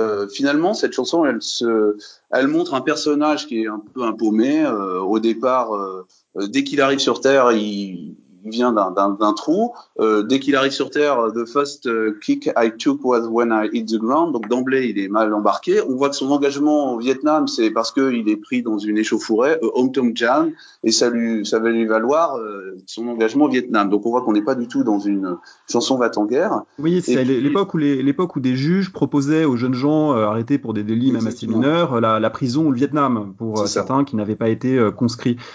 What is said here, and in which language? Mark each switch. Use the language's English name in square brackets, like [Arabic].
[French] Finalement, cette chanson, elle montre un personnage qui est un peu paumé. Au départ, dès qu'il arrive sur Terre, il vient d'un trou. Dès qu'il arrive sur Terre, [English] the first kick I took was when I hit the ground. [French] Donc d'emblée, il est mal embarqué. On voit que son engagement au Vietnam, c'est parce que il est pris dans une échauffourée, Hong Tom Jam, et ça va lui valoir son engagement au Vietnam. Donc on voit qu'on n'est pas du tout dans une chanson va-t-en-guerre. Oui, c'est l'époque où des juges proposaient aux jeunes gens arrêtés pour des délits, même assez mineurs, la prison ou le Vietnam pour certains qui n'avaient pas été conscrits.